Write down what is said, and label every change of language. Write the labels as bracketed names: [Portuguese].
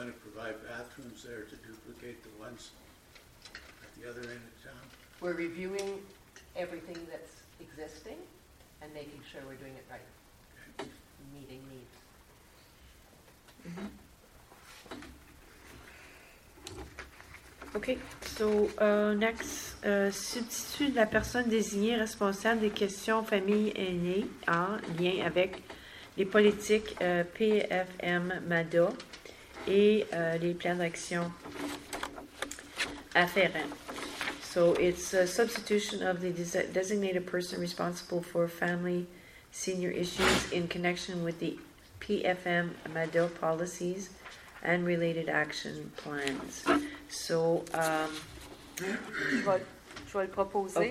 [English] going to provide bathrooms there to duplicate the ones at the other end of town? We're reviewing everything that's existing and making sure we're doing it right, meeting needs. Mm-hmm. Okay, so next, [French] substitut de la personne désignée responsable des questions familles aînées en lien avec les politiques PFM-MADA et les plans d'action afférents. [English] So it's a substitution of the designated person responsible for family senior issues in connection with the PFM-MADA policies and related action plans. So, [French] je vais le proposer.